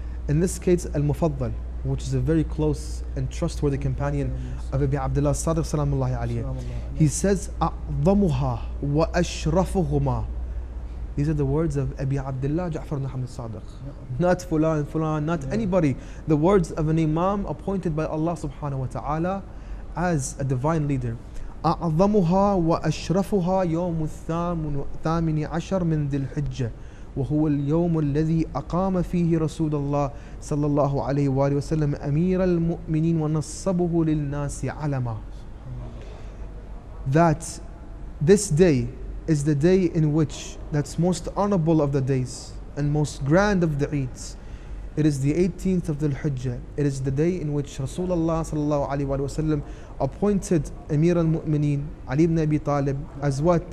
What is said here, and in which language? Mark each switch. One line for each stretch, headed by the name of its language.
English: In this case, Al-Mufaddal, which is a very close and trustworthy companion of Abi Abdullah Sadiq salamullahi alayhi. He says,
Arabic: أَعْظَمُهَا وَأَشْرَفُهُمَا.
English: These are the words of Abi Abdullah Ja'far al-Muhammad Sadiq. Not Fulan, anybody. The words of an imam appointed by Allah subhanahu wa ta'ala as a divine leader.
Arabic: أَعْظَمُهَا وَأَشْرَفُهَا يَوْمُ الثَّامِنِ عَشَرْ مِنْ ذِي الْحِجَّةِ وهو اليوم الذي أقام فيه رسول الله صلى الله عليه وآله وسلم أمير المؤمنين ونصبه للناس علما.
English: That this day is the day in which that's most honorable of the days and most grand of the Eids. It is the 18th of the Hujjah. It is the day in which Rasulullah sallallahu alaihi wasallam appointed Amir al-Mu'mineen, Ali ibn Abi Talib, as what?